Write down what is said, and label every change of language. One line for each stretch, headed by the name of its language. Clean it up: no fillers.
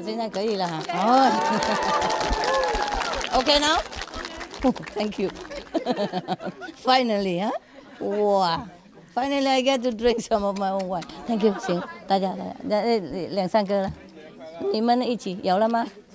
Chinese: 可以了哈，哦、
English: OK now, thank you. Finally, huh? Wow, finally I get to drink some of my own wine. Thank you.
Chinese: 行，大家大家，那两三个了，你们一起有了吗？